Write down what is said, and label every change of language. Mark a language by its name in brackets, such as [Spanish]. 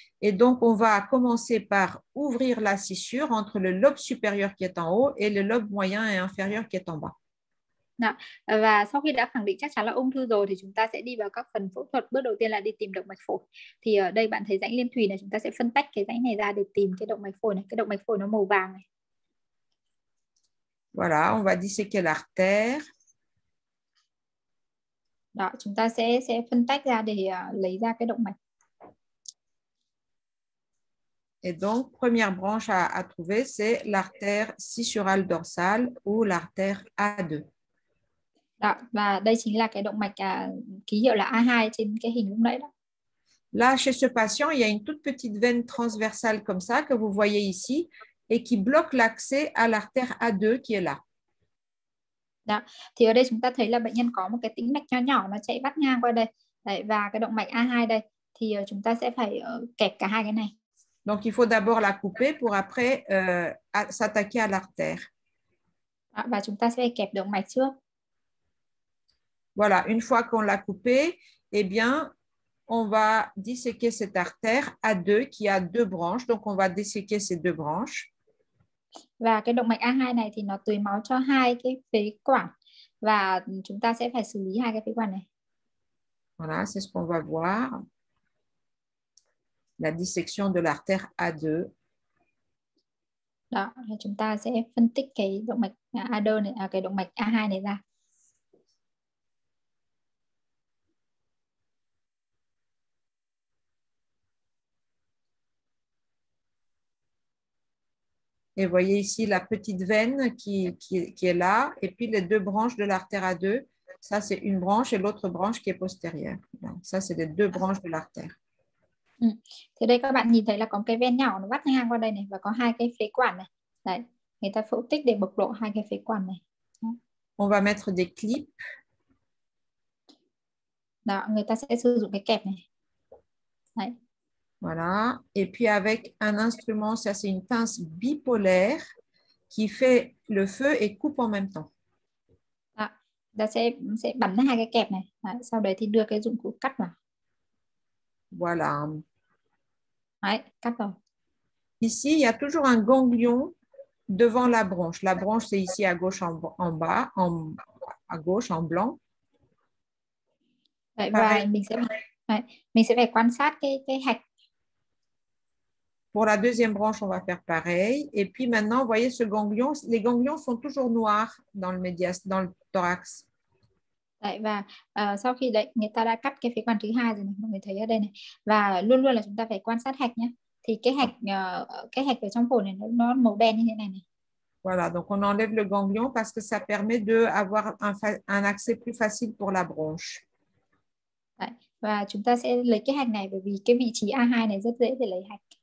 [French] Et donc, on va commencer par ouvrir la scissure entre le lobe supérieur qui est en haut et le lobe moyen et inférieur qui est en bas. [Vietnamese] Đó. Và sau khi đã khẳng định chắc chắn là ung thư rồi thì chúng ta sẽ đi vào các phần phẫu thuật. Bước đầu tiên là đi tìm động mạch phổi. Thì ở đây bạn thấy rãnh liên thùy này, chúng ta sẽ phân tách cái rãnh này ra để tìm cái động mạch phổi này. Cái động mạch phổi nó màu vàng này. [French] Voilà, on va disséquer l'artère. [Vietnamese] Đó, chúng ta sẽ phân tách ra để lấy ra cái động mạch. [French] Et donc, première branche à trouver, c'est l'artère scissurale dorsale ou l'artère A2. [Vietnamese] Đó, và đây chính là cái động mạch ký hiệu là A2 trên cái hình lúc nãy đó. [French] Là, chez ce patient, il y a une toute petite veine transversale comme ça que vous voyez ici et qui bloque l'accès à l'artère A2 qui est là. [Vietnamese] Đó, thì ở đây chúng ta thấy là bệnh nhân có một cái tĩnh mạch nhỏ nhỏ nó chạy vắt ngang qua đây. Đấy, và cái động mạch A2 đây thì chúng ta sẽ phải kẹp cả hai cái này. [French] Donc, il faut d'abord la couper pour après s'attaquer à l'artère. [Vietnamese] Đó, và chúng ta sẽ phải kẹp động mạch trước. [French] Voilà, une fois qu'on l'a coupé, eh bien, on va disséquer cette artère A2 qui a deux branches. Donc, on va disséquer ces deux branches. [Vietnamese] Và cái động mạch A2 này thì nó tưới máu cho hai cái phế quản. Và chúng ta sẽ phải xử lý hai cái phế quản này. [French] Voilà, c'est ce qu'on va voir. La dissection de l'artère A2. [Vietnamese] Đó, chúng ta sẽ phân tích cái động mạch A2 này, cái động mạch A2 này ra. [French] Et vous voyez ici la petite veine qui est là, et puis les deux branches de l'artère A2. Ça, c'est une branche et l'autre branche qui est postérieure. Donc, ça, c'est les deux branches de l'artère. [Vietnamese] Thì đây các bạn nhìn thấy là có cái ven nhỏ nó vắt ngang qua đây này và có hai cái phế quản này. Đấy, người ta phẫu tích để bộc lộ hai cái phế quản này. [French] On va mettre des clips. [Vietnamese] Đó, người ta sẽ sử dụng cái kẹp này. Đấy. [French] Voilà, et puis avec un instrument, ça c'est une pince bipolaire qui fait le feu et coupe en même temps. [Vietnamese] Đó, ta sẽ bắn hai cái kẹp này, đấy, sau đấy thì đưa cái dụng cụ cắt vào. [French] Voilà. [Vietnamese] Đấy, cắt vào. [French] Ici, il y a toujours un ganglion devant la branche. La branche, c'est ici à gauche en bas, à gauche en blanc. [Vietnamese] Đấy, và mình sẽ phải quan sát cái hạch. [French] Pour la deuxième branche, on va faire pareil. Et puis maintenant, vous voyez ce ganglion. Les ganglions sont toujours noirs dans le médiaste, dans le thorax. [Vietnamese] Đấy, và sau khi đấy, người ta đã cắt cái phế quản thứ hai rồi này, mọi người thấy ở đây này. Và luôn luôn là chúng ta phải quan sát hạch nhé. Thì cái hạch ở trong phổi này nó màu đen như thế này này. [French] Voilà, donc on enlève le ganglion parce que ça permet de avoir un accès plus facile pour la branche. [Vietnamese] Đấy, và chúng ta sẽ lấy cái hạch này bởi vì cái vị trí A2 này rất dễ để lấy hạch.